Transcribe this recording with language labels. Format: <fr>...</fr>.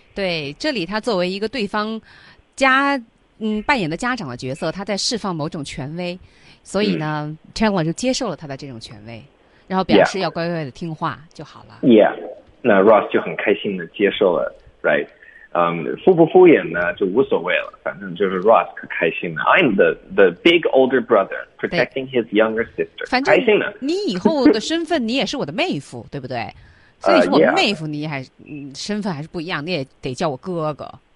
<zh>对，这里他作为一个对方家。扮演的家长的角色，他在释放某种权威，所以呢，Chandler 就接受了他的这种权威，然后表示要乖乖的听话就好了。 Yeah， 那 Ross 就很开心的接受了 ，right？敷不敷衍呢就无所谓了，反正就是 Ross 可开心了。</zh> <en>I'm the big older brother protecting his younger sister，</en> <zh>反正开心呢。你以后的身份，你也是我的妹夫，对不对？所以说我妹夫你还身份还是不一样，你也得叫我哥哥。</zh>